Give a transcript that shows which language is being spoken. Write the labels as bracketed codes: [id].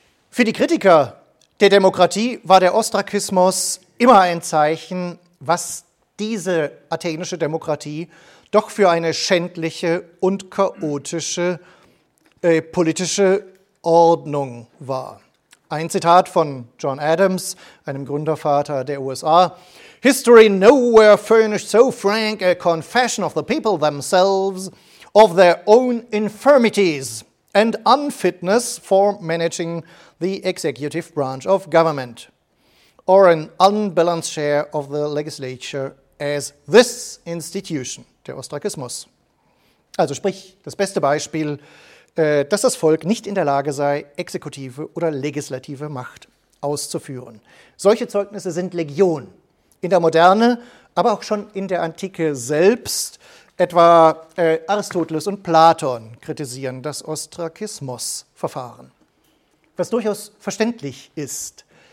[de] Für die Kritiker der Demokratie war der Ostrakismus immer ein Zeichen, was diese athenische Demokratie doch für eine schändliche und chaotische politische Ordnung war. Ein Zitat von John Adams, einem Gründervater der USA: [en] "History nowhere furnished so frank a confession of the people themselves, of their own infirmities and unfitness for managing the executive branch of government, or an unbalanced share of the legislature as this institution," [de] der Ostrakismus. Also sprich, das beste Beispiel, dass das Volk nicht in der Lage sei, exekutive oder legislative Macht auszuführen. Solche Zeugnisse sind Legion. In der Moderne, aber auch schon in der Antike selbst, etwa Aristoteles und Platon kritisieren das Ostrakismus-Verfahren. Was durchaus verständlich ist.